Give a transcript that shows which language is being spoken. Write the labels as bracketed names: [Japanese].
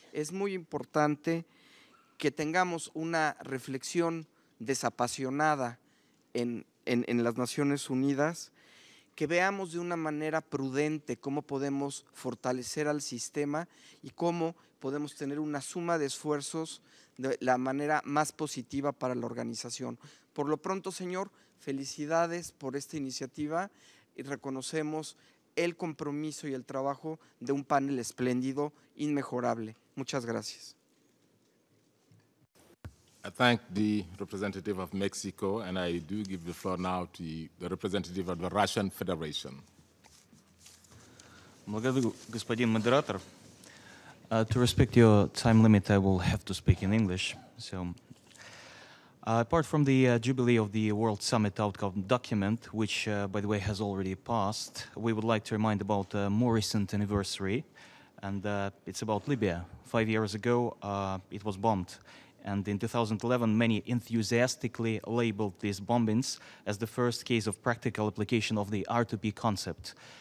[Spanish] Es muy importante que tengamos una reflexión desapasionada en las Naciones Unidas, que veamos de una manera prudente cómo podemos fortalecer al sistema y cómo podemos tener una suma de esfuerzos de la manera más positiva para la organización. Por lo pronto, señor, felicidades por esta iniciativa y reconocemos el compromiso y el trabajo de un panel espléndido, inmejorable. Muchas gracias. [English] I thank the representative of Mexico, and I do give the floor now to the representative of the Russian Federation. [Russian] Благодарю, господин модератор. [English] To respect your time limit, I will have to speak in English. So, apart from the jubilee of the World Summit outcome document, which, by the way, has already passed, we would like to remind about a more recent anniversary, and it's about Libya. 5 years ago, it was bombed. And in 2011, many enthusiastically labeled these bombings as the first case of practical application of the R2P concept.